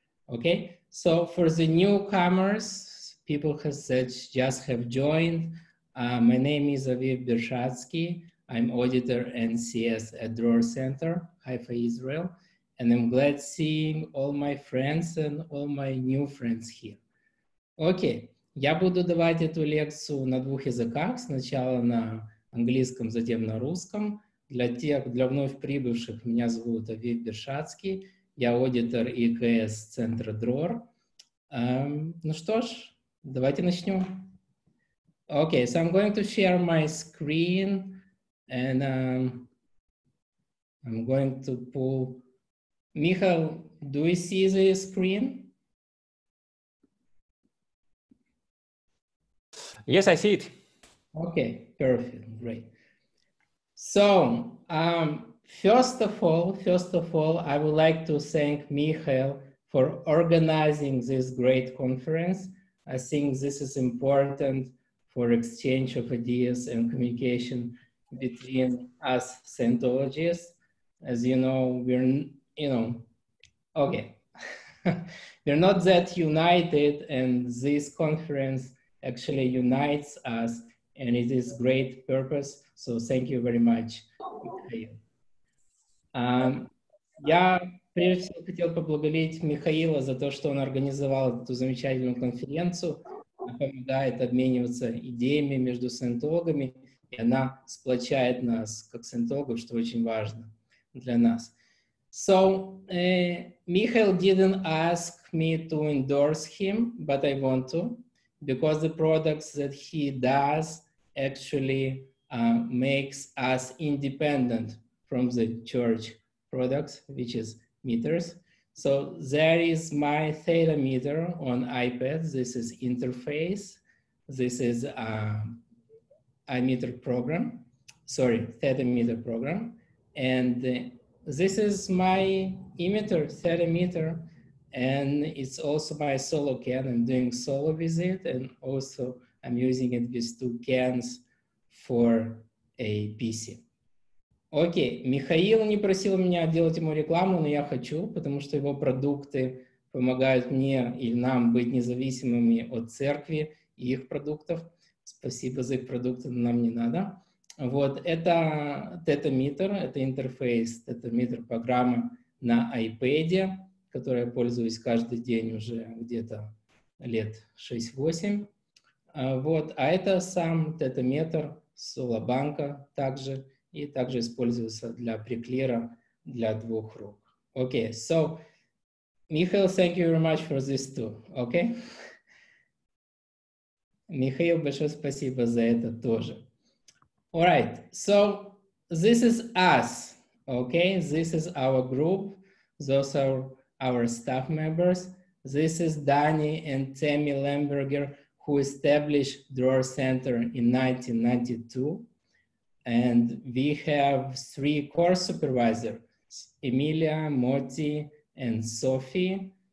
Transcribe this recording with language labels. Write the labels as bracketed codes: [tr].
[en] Okay, so for the newcomers, people that just have joined, my name is Aviv Bershatsky. I'm auditor NCS at Dror Center, Haifa, Israel. And I'm glad seeing all my friends and all my new friends here. [ru] Okay, я буду давать эту лекцию на двух языках. Сначала на английском, затем на русском. Для тех, для вновь прибывших, меня зовут Авив Бершатский. Я аудитор ИКС центра Dror. Ну что ж, давайте начнем. [en] Okay, so I'm going to share my screen and I'm going to pull... Michael, do you see the screen? Yes, I see it. Okay, perfect, great. So, First of all, I would like to thank Michael for organizing this great conference. I think this is important for exchange of ideas and communication between us Scientologists. As you know, we're not that united, and this conference actually unites us, and it is great purpose. So thank you very much, Michael. [ru] Я прежде всего хотел поблагодарить Михаила за то, что он организовал эту замечательную конференцию, она помогает обмениваться идеями между саентологами, и она сплочает нас как саентологов, что очень важно для нас. [en] So, Michael didn't ask me to endorse him, but I want to, because the products that he does actually makes us independent from the church products, which is meters. So there is my theta meter on iPad. This is interface. This is theta meter program. And this is my emitter, theta meter. And it's also my solo can. I'm doing solo visit. And also I'm using it with two cans for a PC. [ru] Окей, Михаил не просил меня делать ему рекламу, но я хочу, потому что его продукты помогают мне и нам быть независимыми от церкви и их продуктов. Спасибо за их продукты, но нам не надо. Вот, это тетаметр, это интерфейс тетаметр программы на iPad, которой я пользуюсь каждый день уже где-то лет 6-8. Вот, а это сам тетаметр Solabanka также. И также используется для преклира для двух рук. [en] Okay, so, Михаил, thank you very much for this too, okay? [ru] Михаил, большое спасибо за это тоже. [en] All right, so, this is us, okay? This is our group, those are our staff members. This is Danny and Tammy Lemberger, who established Dror Center in 1992. And we have three course supervisors, Emilia, Moti, and Sophie.